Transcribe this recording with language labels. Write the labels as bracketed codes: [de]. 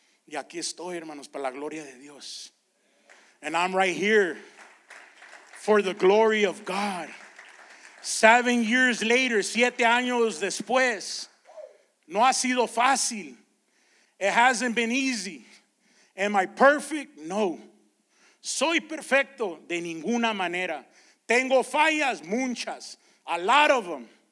[es] Y aquí estoy, hermanos, para la gloria de Dios. [en] And I'm right here for the glory of God. 7 years later, [es] 7 años después, no ha sido fácil. [en] It hasn't been easy. Am I perfect? No. [es] Soy perfecto de ninguna manera. Tengo fallas, muchas, [en] a lot of them.